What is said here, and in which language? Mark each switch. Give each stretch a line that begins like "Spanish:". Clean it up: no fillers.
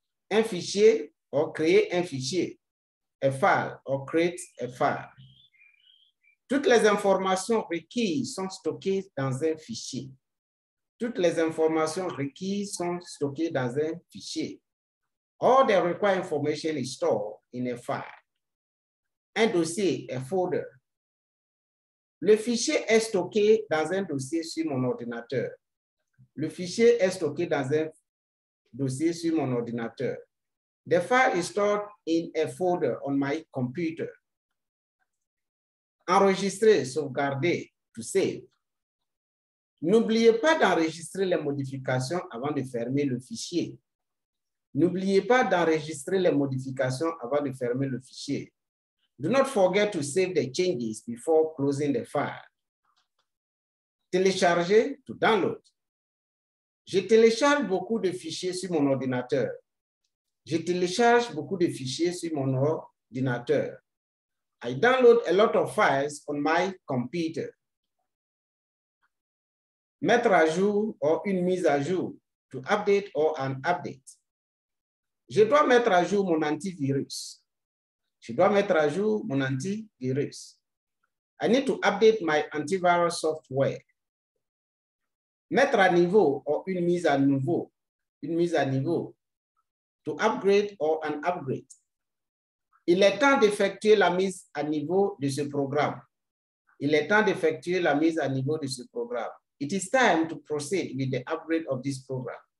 French: Un fichier or créer un fichier.
English: A file or create a file.
French: Toutes les informations requises sont stockées dans un fichier. Toutes les informations requises sont stockées dans un fichier.
English: All the required information is stored in a file.
French: Un dossier,
English: a folder.
French: Le fichier est stocké dans un dossier sur mon ordinateur. Le fichier est stocké dans un dossier sur mon ordinateur.
English: The file is stored in a folder on my computer.
French: Enregistrer, sauvegarder,
English: to save.
French: N'oubliez pas d'enregistrer les modifications avant de fermer le fichier. N'oubliez pas d'enregistrer les modifications avant de fermer le fichier.
English: Do not forget to save the changes before closing the file.
French: Télécharger,
English: to download.
French: Je télécharge beaucoup de fichiers sur mon ordinateur. Je télécharge beaucoup de fichiers sur mon ordinateur.
English: I download a lot of files on my computer.
French: Mettre à jour ou une mise à jour,
English: to update or an update.
French: Je dois mettre à jour mon antivirus. Je dois mettre à jour mon antivirus.
English: I need to update my antivirus software.
French: Mettre à niveau or une mise à nouveau. Une mise à niveau.
English: To upgrade or an upgrade.
French: Il est temps d'effectuer la mise à niveau de ce programme. Il est temps d'effectuer la mise à niveau de ce programme.
English: It is time to proceed with the upgrade of this program.